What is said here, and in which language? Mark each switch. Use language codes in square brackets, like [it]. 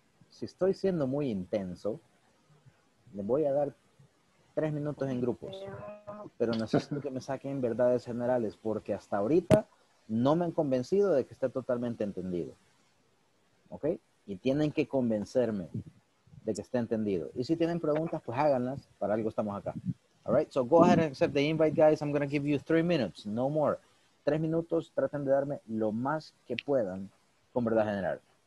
[es] Si estoy siendo muy intenso, les voy a dar 3 minutos en grupos. Pero necesito que me saquen verdades generales, porque hasta ahorita no me han convencido de que esté totalmente entendido. ¿Ok? Y tienen que convencerme de que esté entendido. Y si tienen preguntas, pues háganlas. Para algo estamos acá. [en] All right? So go ahead and accept the invite, guys. I'm going to give you 3 minutes. No more. [es] 3 minutos. Traten de darme lo más que puedan con verdad general.